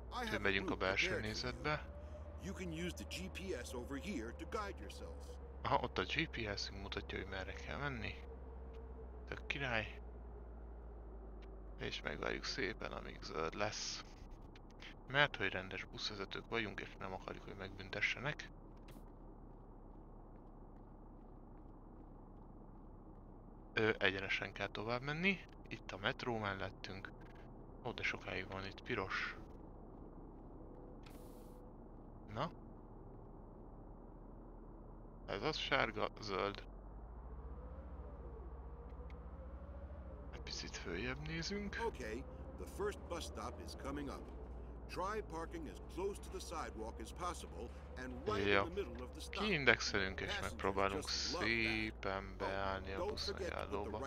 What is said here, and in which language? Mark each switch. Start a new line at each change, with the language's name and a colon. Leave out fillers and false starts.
Hungarian: Bemegyünk a belső nézetbe.
English: You can use the GPS over here to guide yourself.
Hungarian: Aha, ott a GPS-ünk mutatja, hogy merre kell menni. Tök király. És megvárjuk szépen, amíg zöld lesz. Mert hogy rendes buszvezetők vagyunk, és nem akarjuk, hogy megbüntessenek. Egyenesen kell tovább menni. Itt a metró mellettünk. Ó, de sokáig van itt piros. Na. Ez az sárga, zöld. Egy picit följebb nézünk.
English: Okay, the first bus stop is coming up. Try parking as close to the sidewalk as possible and right in the middle of the stop.
Hungarian: Kiindexelünk és megpróbálunk szépen beállni a buszmegállóba.